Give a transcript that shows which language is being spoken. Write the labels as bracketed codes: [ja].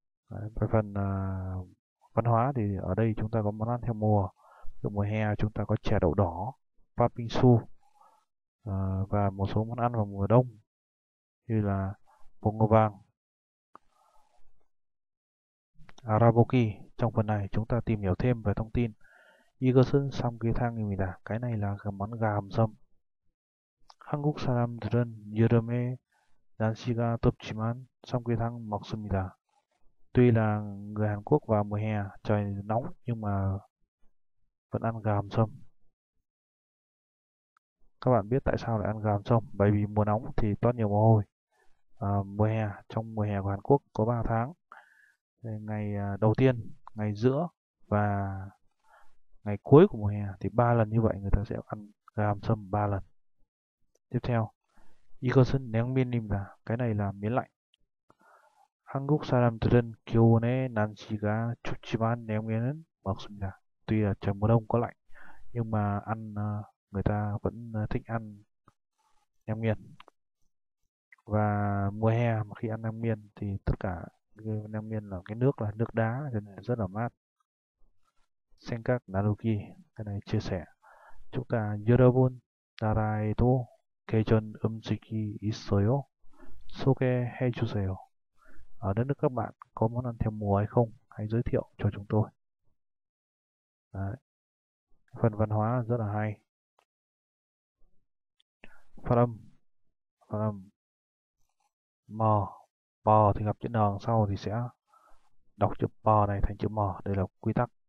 [vi] Đấy, về phần văn hóa thì ở đây chúng ta có món ăn theo mùa, từ mùa hè chúng ta có chè đậu đỏ, papingsu và một số món ăn vào mùa đông như là bông ngô vàng, Araboki. Trong phần này chúng ta tìm hiểu thêm về thông tin. [ko] Igosun Samgyetang입니다. [vi] Cái này là cái món gà hầm sâm. [ko] 한국 사람들은 여름에 날씨가 덥지만 삼계탕 먹습니다. [vi] Tuy là người Hàn Quốc vào mùa hè trời nóng nhưng mà vẫn ăn gà hầm sông. Các bạn biết tại sao lại ăn gà hầm sông? Bởi vì mùa nóng thì toát nhiều mồ hôi. Mùa hè, trong mùa hè của Hàn Quốc có 3 tháng. Ngày đầu tiên, ngày giữa và ngày cuối của mùa hè thì 3 lần như vậy người ta sẽ ăn gà hầm sông 3 lần. Tiếp theo, [ko] 이것은 냉면입니다. [vi] Cái này là miến lạnh. [ko] 한국 사람들은 겨울에 날씨가 춥지만 냉면은 먹습니다. [vi] Tuy là trời mùa đông có lạnh nhưng mà ăn người ta vẫn thích ăn냉면. Và mùa hè mà khi ăn냉면 thì tất cả냉면 là nước đá cho nên rất là mát. Xin các Naruki cái này chia sẻ. Chúng ta [ko] 여러분 나라에도 계절 음식이 있어요? 소개해 주세요. [vi] Ở đất nước các bạn có món ăn theo mùa hay không? Hãy giới thiệu cho chúng tôi. Đấy. Phần văn hóa rất là hay. Phát âm M M thì gặp chữ N đằng sau thì sẽ đọc chữ P này thành chữ M. Đây là quy tắc.